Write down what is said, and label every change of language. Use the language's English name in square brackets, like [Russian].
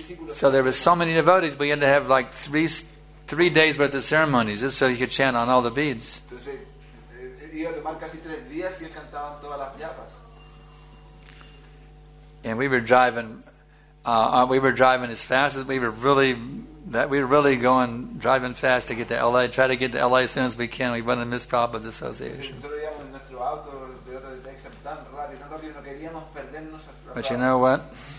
[English] So there were so many devotees, we had to have like three days worth of ceremonies just so he could chant on all the beads. [Spanish] Iba a tomar casi tres días y él cantaba todas las llapas. [English] And we were driving. We were driving as fast as we were really. That we were really going, driving fast to get to L.A., try to get to L.A. as soon as we can. We wanted to miss Prabhupada's association. But you know what?